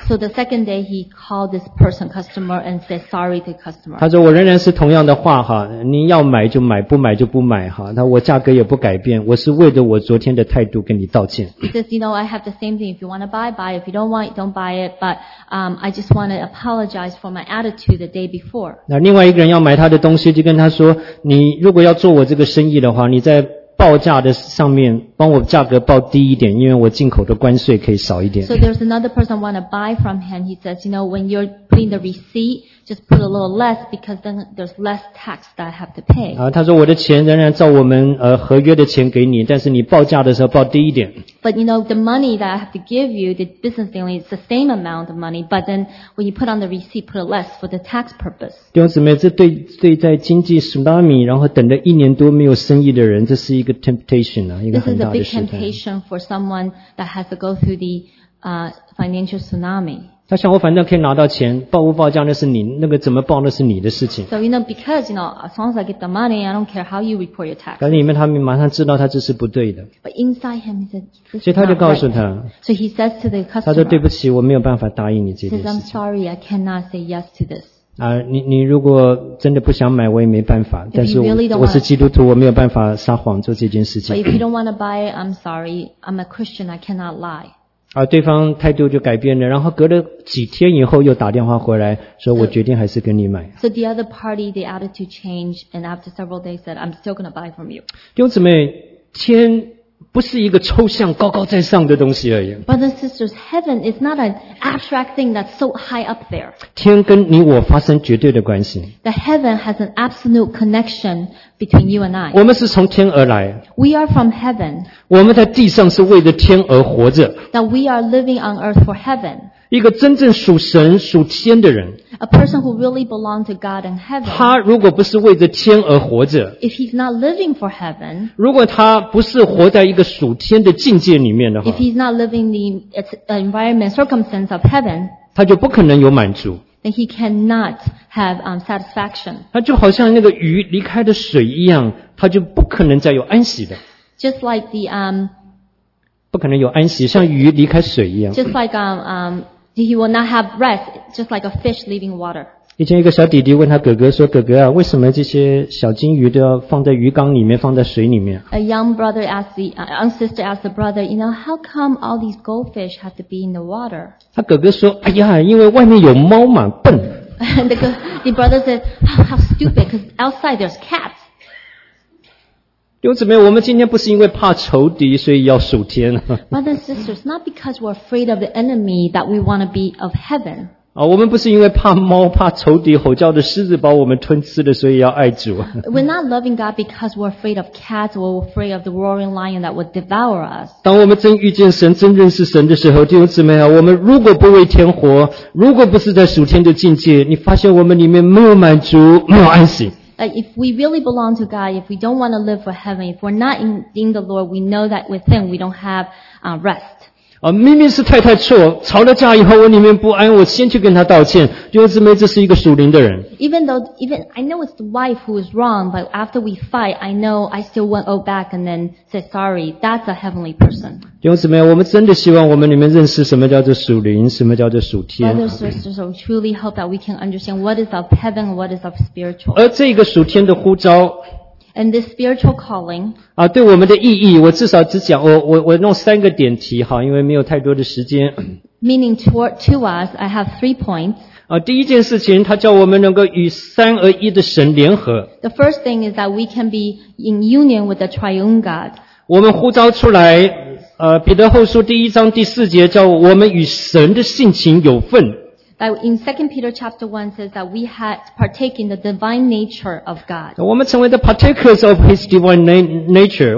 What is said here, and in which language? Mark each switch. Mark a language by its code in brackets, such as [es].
[en] So the second day he called this person customer and said sorry to the customer. [zh] 他说我仍然是同样的话哈，你要买就买，不买就不买哈，那我价格也不改变，我是为了我昨天的态度跟你道歉。 [en] He says, you know, I have the same thing. If you want to buy, buy. If you don't want, don't buy it. But, I just want to apologize for my attitude the day before. [zh] 那另外一个人要买他的东西，就跟他说你如果要做我这个生意的话，你在报价的上面帮我价格报低一点，因为我进口的关税可以少一点。 [en] So there's another person want to buy from him. He says, you know, when you're putting the receipt, just put a little less because then there's less tax that I have to pay. [zh] 他说我的钱仍然照我们合约的钱给你，但是你报价的时候报低一点。 [en] But you know, the money that I have to give you, the business dealing, it's the same amount of money, but then when you put on the receipt, put less for the tax purpose. [zh] 弟兄姊妹，这对在经济 tsunami 然后等了一年多没有生意的人，这是一个 [en] temptation [zh] 啊，一个很大的试探。 [en] This is a big temptation for someone that has to go through the financial tsunami. [zh] 他想我反正可以拿到钱，报不报价那是你，那个怎么报那是你的事情。 [en] So you know, because you know, as long as I get the money, I don't care how you report your tax. [zh] 但是里面他马上知道他这是不对的。 [en] But inside him, he said, this is not right. [zh] 所以他就告诉他。 [en] So he says to the customer. [zh] 他说对不起，我没有办法答应你这件事情。 [en] He says, I'm sorry, I cannot say yes to this. [zh] 你如果真的不想买，我也没办法。但是 我是基督徒，我没有办法撒谎做这件事情。 [en] But if you don't want to buy, I'm sorry. I'm a Christian. I cannot lie. [zh] 对方态度就改变了。然后隔了几天以后，又打电话回来，说我决定还是跟你买。 [en] So the other party, the attitude changed, and after several days, said, I'm still going to buy from you. [zh] 弟兄姊妹，天不是一个抽象高高在上的东西而已。 [en] But sisters, heaven is not an abstract thing that's so high up there. [zh] 天跟你我发生绝对的关系。 [en] The heaven has an absolute connection between you and I. [zh] 我们是从天而来。 [en] We are from heaven. [zh] 我们在地上是为着天而活着。 [en] That we are living on earth for heaven. [zh] 一个真正属神属天的人。 [en] A person who really belongs to God in heaven. [zh] 他如果不是为着天而活着。 [en] If he's not living for heaven. [zh] 如果他不是活在一个属天的境界里面的话。 [en] If he's not living the environment circumstance of heaven. [zh] 他就不可能有满足。 [en] Then he cannot have satisfaction. [zh] 他就好像那个鱼离开的水一样，他就不可能再有安息的。 [en] Just like the, [zh] 不可能有安息，像鱼离开水一样。 [en] Just like, he will not have rest, just like a fish leaving water. [zh] 以前一个小弟弟问他哥哥说，哥哥啊，为什么这些小金鱼都要放在鱼缸里面，放在水里面？ [en] A young brother asked the, sister asked the brother, you know, how come all these goldfish have to be in the water? [zh] 他哥哥说，哎呀，因为外面有猫嘛，笨。 [en] And the brother said, how stupid, because outside there's cats. [zh] 弟兄姊妹，我们今天不是因为怕仇敌，所以要属天。 [en] Brothers and sisters, not because we're afraid of the enemy that we want to be of heaven. [zh] 我们不是因为怕猫、怕仇敌、吼叫的狮子把我们吞吃了，所以要爱主。 [en] We're not loving God because we're afraid of cats or afraid of the roaring lion that would devour us. [zh] 当我们真遇见神、真认识神的时候，弟兄姊妹啊，我们如果不为天活，如果不是在属天的境界，你发现我们里面没有满足、没有安息。 [en] If we really belong to God, if we don't want to live for heaven, if we're not in the Lord, we know that within we don't have rest. [zh] 啊，明明是太太错，吵了架以后我里面不安，我先去跟她道歉。弟兄姊妹，这是一个属灵的人。 [en] Even I know it's the wife who is wrong, but after we fight, I know I still went all back and then said sorry. That's a heavenly person. [zh] 弟兄姊妹，我们真的希望我们里面认识什么叫做属灵，什么叫做属天。 [en] Brothers and sisters, we truly hope that we can understand what is of heaven, what is of spiritual. [zh] 而这个属天的呼召。 [en] And this spiritual calling. [zh] 啊，对我们的意义，我至少只讲我弄三个点题哈，因为没有太多的时间。 [en] Meaning to us, I have three points. [zh] 啊，第一件事情，他叫我们能够与三而一的神联合。 [en] The first thing is that we can be in union with the triune God. [zh] 我们呼召出来，彼得后书第一章第四节叫我们与神的性情有份。 [en] In 2 Peter chapter 1 says that we had partaken the divine nature of God. [zh] 我们成为 [en] the partakers of his divine nature.